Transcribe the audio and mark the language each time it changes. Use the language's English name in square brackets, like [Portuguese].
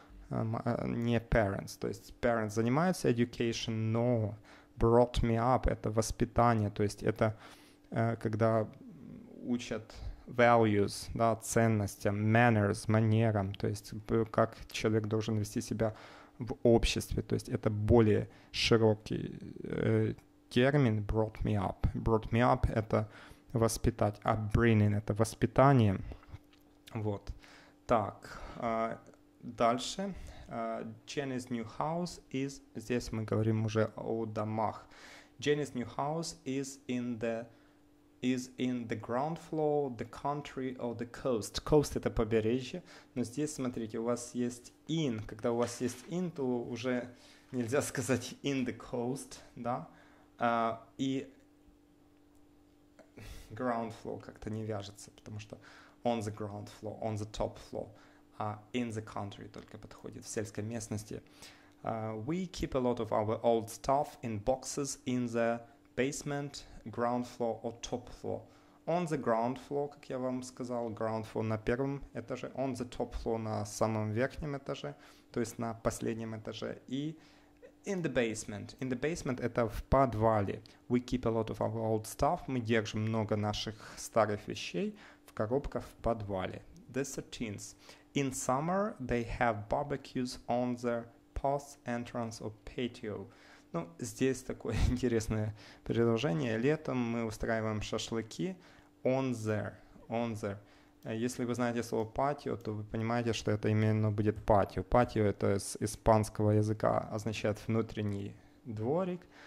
[Russian] Не parents, то есть parents занимаются education, но brought me up – это воспитание, то есть это когда учат values, да, ценностям, manners, манерам, то есть как человек должен вести себя в обществе, то есть это более широкий термин brought me up. Brought me up – это воспитать, upbringing – это воспитание. Вот. Так, дальше. [English] Jenny's new house is... [Russian] Здесь мы говорим уже о домах. [English] Jenny's new house is in the ground floor, the country or the coast. [Russian] Coast – это побережье. Но здесь, смотрите, у вас есть in. Когда у вас есть in, то уже нельзя сказать in the coast, да? И ground floor как-то не вяжется, потому что on the ground floor, on the top floor. In the country только подходит, в сельской местности. [English] We keep a lot of our old stuff in boxes in the basement, ground floor or top floor. On the ground floor, [Russian] как я вам сказал, ground floor на первом этаже, [English] on the top floor [Russian] на самом верхнем этаже, то есть на последнем этаже, и [English] in the basement. [Russian] In the basement – это в подвале. [English] We keep a lot of our old stuff. [Russian] Мы держим много наших старых вещей в коробках в подвале. [English] The 13th. In summer, they have barbecues on the porch, entrance or patio. [Russian] Ну, здесь такое интересное предложение. Летом мы устраиваем шашлыки on there. On there. Если вы знаете слово patio, то вы понимаете, что это именно будет patio. Patio – это с испанского языка, означает внутренний дворик.